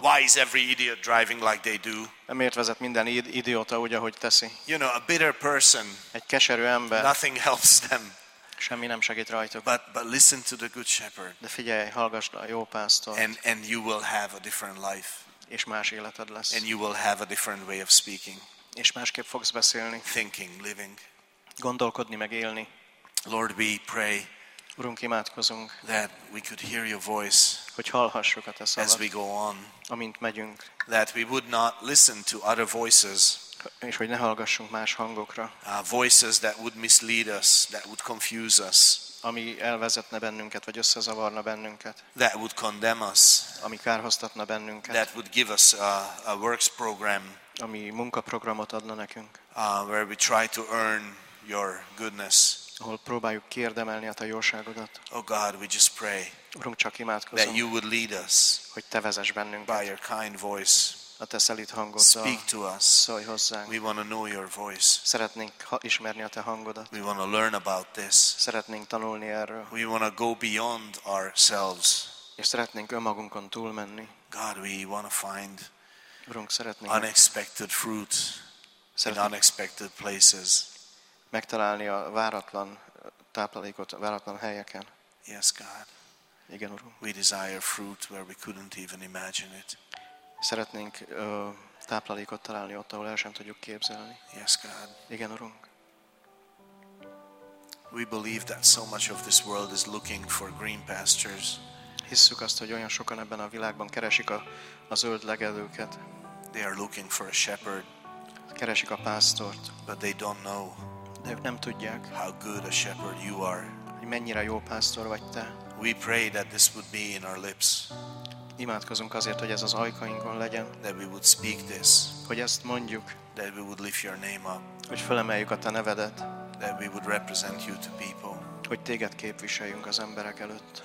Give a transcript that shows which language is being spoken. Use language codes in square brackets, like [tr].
[en] Why is every idiot driving like they do? [hu] Miért vezet minden idióta úgy, ahogy teszi? [en] You know, a bitter person. [hu] Egy keserű ember. [en] Nothing helps them. [hu] Semmi nem segít rajtuk. [en] But listen to the good shepherd. [hu] De figyelj, hallgass a jó pásztort. [en] And you will have a different life. [hu] És más életed lesz. [en] And you will have a different way of speaking. [hu] És másképp fogsz beszélni. [en] Thinking, living. [hu] Gondolkodni meg élni. [en] Lord, we pray. [hu] Urunk, imádkozunk. [en] That we could hear your voice. [hu] Hogy hallhassuk a te szavad. [en] As we go on. [hu] Amint megyünk. [en] That we would not listen to other voices. [hu] És hogy ne hallgassunk más hangokra. [en] Voices that would mislead us, that would confuse us. [hu] Ami elvezetne bennünket, vagy összezavarna bennünket. [en] That would condemn us. [hu] Ami kárhoztatna bennünket. [en] That would give us a works program. [hu] Ami munkaprogramot adna nekünk. [en] Where we try to earn your goodness. [hu] Ahol próbáljuk kiérdemelni a te jóságodat. [en] Oh God, we just pray. [hu] Urunk, csak imádkozunk. [en] That you would lead us. [hu] Hogy te vezess bennünket. [en] By your kind voice. [hu] A te szelíd hangoddal. [en] Speak to us. [hu] Szólj hozzánk. [en] We want to know your voice. [hu] Szeretnénk ismerni a te hangodat. [en] We want to learn about this. [hu] Szeretnénk tanulni erről. [en] We want to go beyond ourselves. [hu] És szeretnénk önmagunkon túlmenni. [en] God, we want to find [hu] Urunk, szeretnénk [en] unexpected fruit in unexpected places. [hu] Megtalálni a váratlan táplálékot váratlan helyeken. [en] Yes, God. [hu] Igen, Urunk. [en] We desire fruit where we couldn't even imagine it. [hu] Szeretnénk táplálékot találni ott, ahol el sem tudjuk képzelni. [en] Yes, God. [hu] Igen, Urunk. [en] We believe that so much of this world is looking for green pastures. [hu] Hisszük azt, hogy olyan sokan ebben a világban keresik a zöld legelőket. [en] They are looking for a shepherd. [hu] Keresik a pásztort. [en] But they don't know. [hu] De ők nem tudják. [en] How good a shepherd you are. [hu] Hogy mennyire jó pásztor vagy te. [en] We pray that this would be in our lips. [hu] Imádkozunk azért, hogy ez az ajkainkon legyen. [en] That we would speak this. [hu] Hogy ezt mondjuk. [en] That we would lift your name up. [hu] Hogy fölemeljük a te nevedet. [en] That we would represent you to people. [hu] Hogy téged képviseljünk az emberek előtt.